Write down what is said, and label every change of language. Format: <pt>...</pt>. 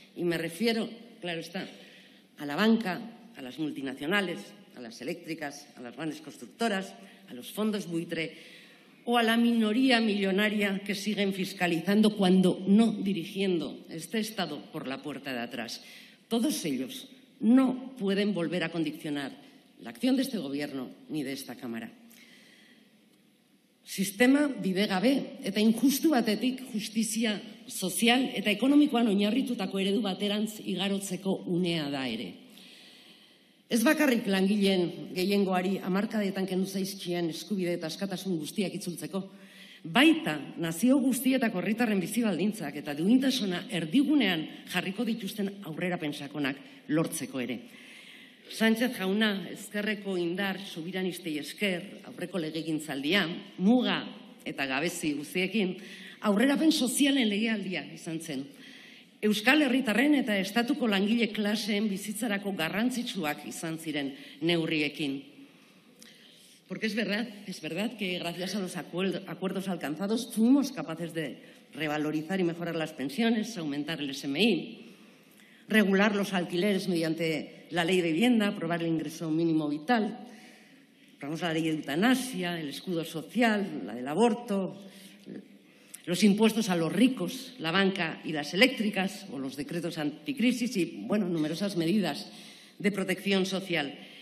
<es>Y me refiero, claro está, a la banca, a las multinacionales, a las eléctricas, a las grandes constructoras, a los fondos buitre o a la minoría millonaria que siguen fiscalizando cuando no dirigiendo este Estado por la puerta de atrás. Todos ellos no pueden volver a condicionar la acción de este Gobierno ni de esta Cámara.</es> <eu>Sistema bidegabe eta injustu batetik justizia sozial eta ekonomikoan oinarritutako eredu baterantz igarotzeko unea da ere. Ez bakarrik langileen gehiengoari hamarkadetan kendu zaizkien eskubide eta askatasun guztiak itzultzeko, baita nazio guztietako herritarren bizi baldintzak eta duintasuna erdigunean jarriko dituzten aurrerapen sakonak lortzeko ere. Sánchez jauna, ezkerreko indar subiranistei esker aurreko legegintzaldia, muga eta gabezi guztiekin, aurrerapen sozialen legealdia izan zen. Euskal herritarren eta estatuko langile klaseen bizitzarako garrantzitsuak izan ziren neurriekin.</eu> <es>Porque es verdad que gracias a los acuerdos alcanzados fuimos capaces de revalorizar y mejorar las pensiones, aumentar el SMI, regular los alquileres mediante la ley de vivienda, aprobar el ingreso mínimo vital, aprobamos la ley de eutanasia, el escudo social, la del aborto, los impuestos a los ricos, la banca y las eléctricas, o los decretos anticrisis y, bueno, numerosas medidas de protección social.</es>